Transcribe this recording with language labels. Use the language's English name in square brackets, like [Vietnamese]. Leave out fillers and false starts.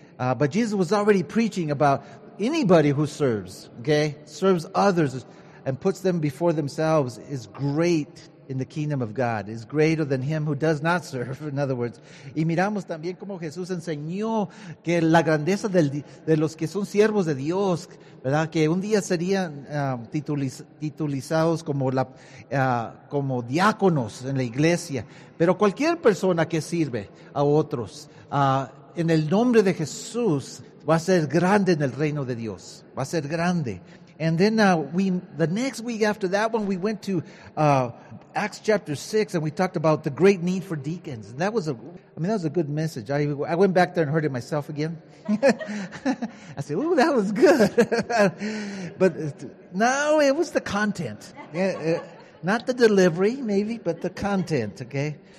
[English] But Jesus was already preaching about anybody who serves, okay? Serves others and puts them before themselves is great in the kingdom of God, is greater than him who does not serve, in other words. [Spanish] Y miramos también como Jesús enseñó que la grandeza de los que son siervos de Dios, ¿verdad? Que un día serían titulizados como diáconos en la iglesia. Pero cualquier persona que sirve a otros, en el nombre de Jesús, va a ser grande en el reino de Dios, va a ser grande. [English] And then the next week after that one, we went to Acts chapter 6, and we talked about the great need for deacons. And that was a good message. I went back there and heard it myself again. I said, ooh, that was good. But no, it was the content. Not the delivery, maybe, but the content, okay?